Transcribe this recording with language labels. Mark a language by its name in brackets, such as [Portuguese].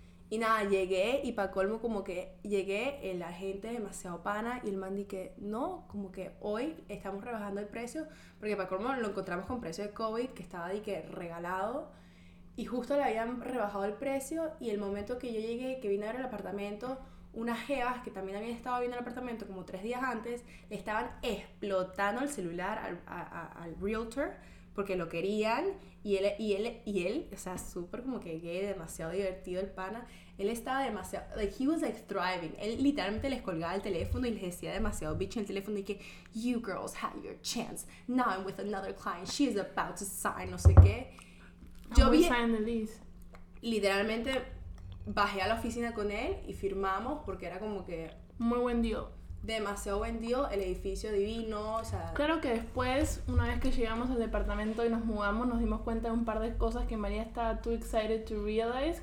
[Spanish] Y nada, llegué y pa' colmo como que llegué, el agente demasiado pana y el man dije, no, como que hoy estamos rebajando el precio, porque pa' colmo lo encontramos con precio de COVID que estaba dique regalado y justo le habían rebajado el precio y el momento que yo llegué, que vine a ver el apartamento, unas jevas que también habían estado viendo el apartamento como 3 días antes, le estaban explotando el celular al realtor porque lo querían. Y él, o sea, súper como que gay, demasiado divertido el pana. Él estaba demasiado, [English] like, he was like thriving. [Spanish] Él literalmente les colgaba el teléfono y les decía demasiado bitch en el teléfono. [English] Y que, you girls had your chance. Now I'm with another client. She is about to sign, [Spanish] no sé qué. Yo vi. [English] Sign the lease. [Spanish] Literalmente bajé a la oficina con él y firmamos porque era como que. Muy buen deal. Demasiado vendido, el edificio divino, o sea. Claro que después, una vez que llegamos al departamento y nos mudamos, nos dimos cuenta de un par de cosas que María estaba [English] too excited to realize.